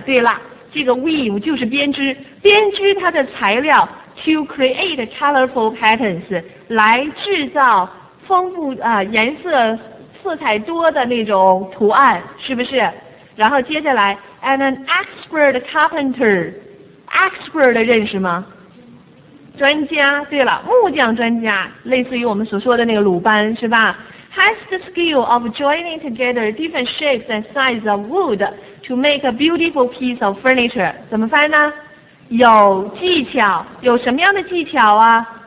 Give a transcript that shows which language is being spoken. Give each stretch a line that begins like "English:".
Chinese: 对了，这个 weave 就是编织，编织它的材料
English: to create colorful patterns，
Chinese: 来制造丰富颜色色彩多的那种图案，是不是？然后接下来
English: and an expert carpenter，
Chinese: expert 认识吗？专家，对了，木匠专家，类似于我们所说的那个鲁班，是吧？
English: has the skill of joining together different shapes and sizes of wood to make a beautiful piece of furniture，
Chinese: 怎么翻呢？有技巧，有什么样的技巧啊？